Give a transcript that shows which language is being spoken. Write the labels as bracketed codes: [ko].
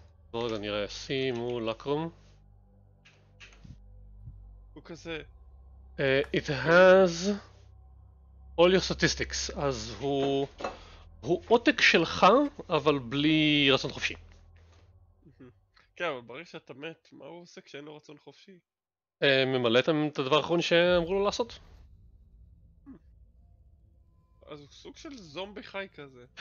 [he] בואו רגע נראה, סימולקרום. הוא כזה... [en] It has all your statistics, [he] אז הוא... הוא עותק שלך, אבל בלי רצון חופשי. כן, אבל ברגע שאתה מת, מה הוא עושה כשאין לו רצון חופשי? ממלא את הדבר האחרון שאמרו לו לעשות. אז הוא סוג של זומבי חי כזה.